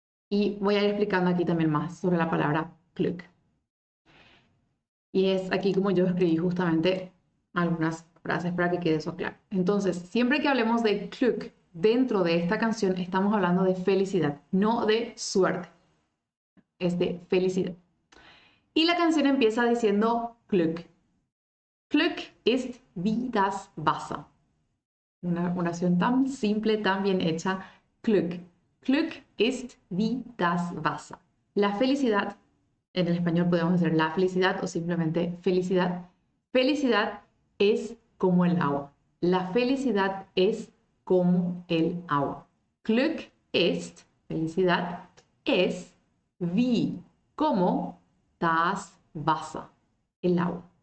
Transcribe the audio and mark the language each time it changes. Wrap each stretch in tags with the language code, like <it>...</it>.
<es>Y voy a ir explicando aquí también más sobre la palabra Glück. Y es aquí como yo escribí justamente algunas frases para que quede eso claro. Entonces, siempre que hablemos de Glück, dentro de esta canción estamos hablando de felicidad, no de suerte. Es de felicidad. Y la canción empieza diciendo Glück.</es> <de>Glück ist wie das Wasser.</de> <es>Una oración tan simple, tan bien hecha.</es> <de>Glück. Glück ist wie das Wasser.</de> <es>La felicidad En el español podemos decir la felicidad o simplemente felicidad. Felicidad es como el agua. La felicidad es como el agua.</es> <de>Glück ist,</de> <es>felicidad, es wie, como</es> <de>das Wasser,</de> <es>el agua.</es>